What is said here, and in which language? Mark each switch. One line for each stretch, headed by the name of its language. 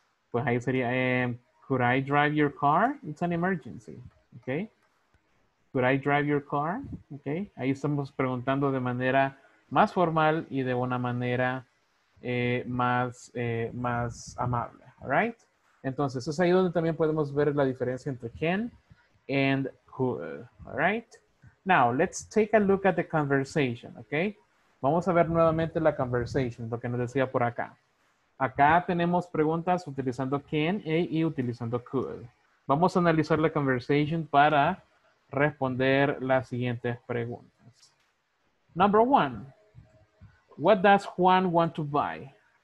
Spanish: Pues ahí sería,
English: could I drive your car? It's an emergency, okay? Could I drive your car? Okay.
Spanish: Ahí estamos preguntando de manera más formal y de una manera más amable.
English: All right?
Spanish: Entonces, es ahí donde también podemos ver la diferencia entre can and could. All right?
English: Now, let's take a look at the conversation. Okay?
Spanish: Vamos a ver nuevamente la conversation, lo que nos decía por acá. Acá tenemos preguntas utilizando can y utilizando could. Vamos a analizar la conversation para responder las siguientes preguntas.
English: Number one, what does Juan want to buy?